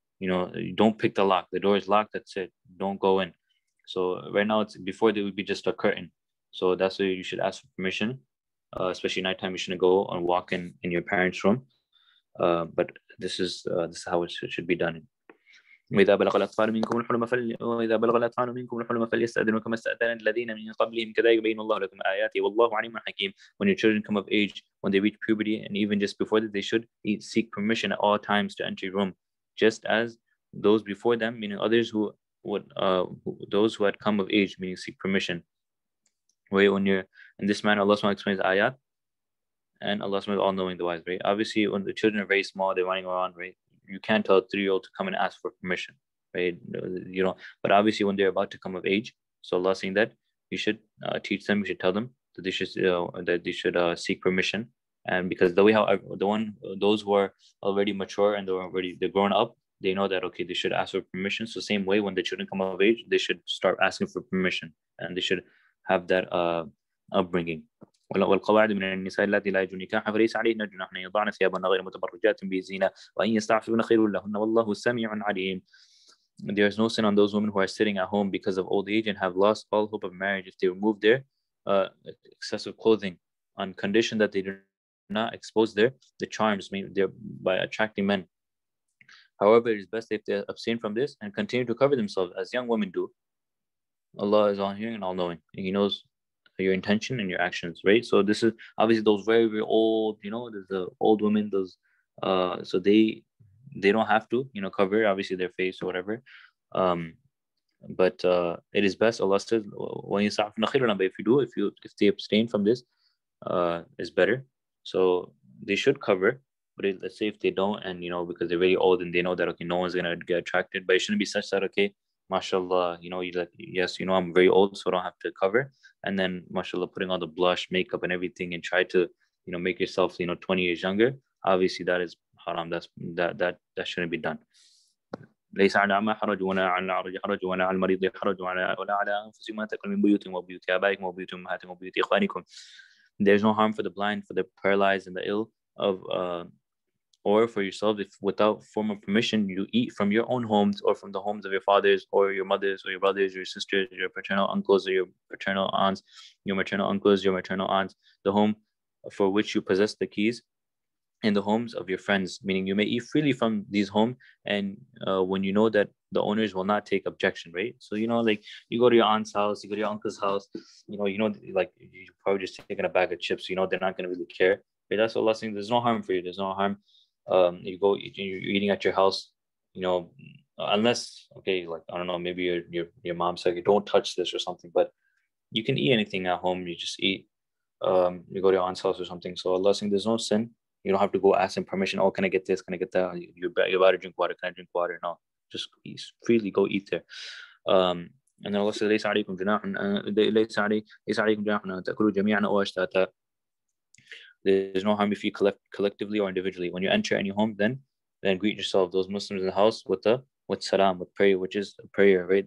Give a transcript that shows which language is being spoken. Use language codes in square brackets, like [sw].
[en] You know, you don't pick the lock. The door is locked, that's it. Don't go in. So right now, before there would be just a curtain. So that's why you should ask for permission. Especially nighttime, you shouldn't go and walk in your parents' room. But this is how it should be done. [ar] وإذا بلغ الأطفال منكم الحلم وإذا بلغ الأطفال منكم الحلم فليستأذنوا كما استأذن الذين من قبلهم كذلك بين الله لكم آياته والله عليم حكيم. [en] When your children come of age, when they reach puberty, and even just before that, they should seek permission at all times to enter your room, just as those before them, meaning others who had come of age, meaning seek permission. Right, when you're in this manner, Allah SWT explains ayat, and Allah SWT is all knowing, the wise, right? Obviously, when the children are very small, they're running around, right? You can't tell a 3-year-old to come and ask for permission, right? You know, but obviously, when they're about to come of age, so Allah saying that you should teach them, you should tell them that they should seek permission, and because the way how those who are already mature and they're grown up, they know that okay, they should ask for permission. So same way, when the children come of age, they should start asking for permission, and they should have that upbringing. [ar] والقواعد من النساء التي لا يجون نكاحها فليس عليهن جناح ان يضعن ثيابهن غير متبرجات بزينه وان يستعففن خير لهن والله سميع عليم. [en] There is no sin on those women who are sitting at home because of old age and have lost all hope of marriage if they remove their excessive clothing on condition that they do not expose the charms by attracting men. However, it is best if they abstain from this and continue to cover themselves as young women do. Allah is all hearing and all knowing, and He knows your intention and your actions, right? So this is obviously those very, very old, you know, the old women, those so they don't have to, you know, cover obviously their face or whatever. But it is best, Allah says, when you start from the khirana, but if they abstain from this, is better. So they should cover, but let's say if they don't, and you know, because they're very old and they know that okay, no one's gonna get attracted, but it shouldn't be such that okay, mashallah, you know, you're like, yes, you know, I'm very old, so I don't have to cover. And then, mashallah, putting on the blush, makeup, and everything, and try to, you know, make yourself, you know, 20 years younger. Obviously, that is haram. That shouldn't be done. [ar] ليس على أعمى حرج ولا على أعرج حرج ولا على المريض حرج ولا على أنفسكم ما تأكلون من بيوتكم وبيوت آبائكم وبيوت أمهاتكم وبيوت إخوانكم. [en] There's no harm for the blind, for the paralyzed, and the ill of or for yourself, if without formal permission you eat from your own homes or from the homes of your fathers or your mothers or your brothers, your sisters, your paternal uncles or your paternal aunts, your maternal uncles, your maternal aunts, the home for which you possess the keys, and the homes of your friends, meaning you may eat freely from these homes, and when you know that the owners will not take objection, right? So you know, like you go to your aunt's house, you go to your uncle's house, you know, like you're probably just taking a bag of chips, you know they're not going to really care. But that's what Allah saying, there's no harm for you, there's no harm. You go, you're eating at your house, you know, unless, okay, like, I don't know, maybe your mom said, you don't touch this or something, but you can eat anything at home, you just eat, you go to your aunt's house or something. So Allah saying, there's no sin, you don't have to go ask him permission, oh, can I get this, can I get that, you're about to drink water, can I drink water, no, just eat, freely go eat there. And then Allah says, [ar] لَيْسَ عَلَيْكُمْ جُنَاحٌ لَيْسَ عَلَيْكُمْ جُنَاحٌ تَأْكُلُوا جَمِيعًا أَوْ أَشْتَاتًا. [en] There's no harm if you collect collectively or individually. When you enter any home, then greet yourself, those Muslims in the house, with salam, with prayer, which is a prayer, right?